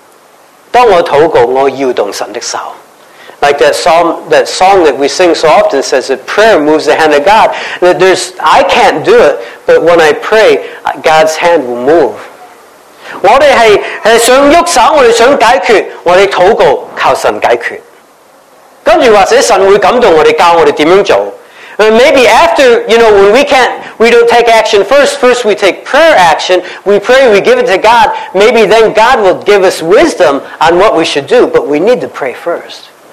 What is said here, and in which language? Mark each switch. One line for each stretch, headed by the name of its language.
Chinese: 所以我们祷告神，是祷告是会叫神要动祂的手。有首歌你都会识唱啊，祷告做的事我不能做，当我祷告，我要动神的手。
English: Like that song that we sing so often says that prayer moves the hand of God. That there's, I can't do it, but when I pray, God's hand will move.
Chinese: 我们是想动手，我们想解决，我们祷告靠神解决。跟住或者神会感动我们，教我们怎样做。
English: Maybe after, you know, when we can't, we don't take action first. First we take prayer action. We pray, we give it to God. Maybe then God will give us wisdom on what we should do, but we need to pray first.